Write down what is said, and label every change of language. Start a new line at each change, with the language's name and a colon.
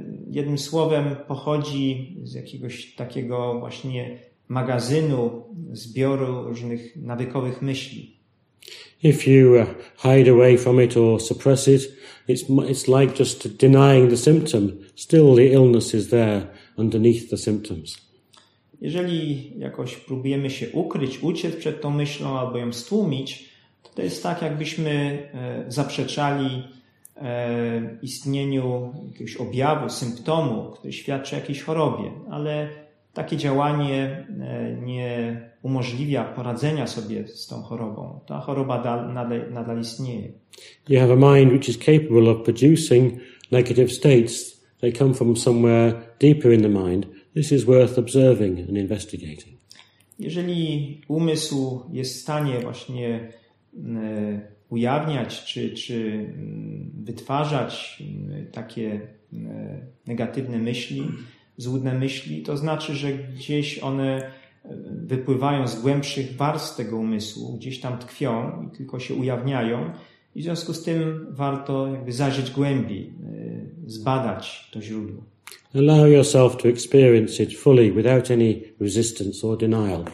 Polish: Jednym słowem pochodzi z jakiegoś takiego właśnie magazynu, zbioru różnych nawykowych myśli.
English: If you hide away from it or suppress it, it's like just denying the symptom. Still the illness is there underneath the symptoms.
Polish: Jeżeli jakoś próbujemy się ukryć, uciec przed tą myślą albo ją stłumić, To jest tak, jakbyśmy zaprzeczali istnieniu jakiegoś objawu, symptomu, który świadczy o jakiejś chorobie, ale takie działanie nie umożliwia poradzenia sobie z tą chorobą. Ta choroba nadal istnieje.
English: You have a mind which is capable of producing negative states. They come from somewhere deeper in the mind. This is worth observing and investigating.
Polish: Jeżeli umysł jest w stanie właśnie ujawniać czy wytwarzać takie negatywne myśli, złudne myśli, to znaczy, że gdzieś one wypływają z głębszych warstw tego umysłu, gdzieś tam tkwią i tylko się ujawniają. I w związku z tym warto jakby zajrzeć głębiej, zbadać to źródło.
English: Allow yourself to experience it fully, without any resistance or denial.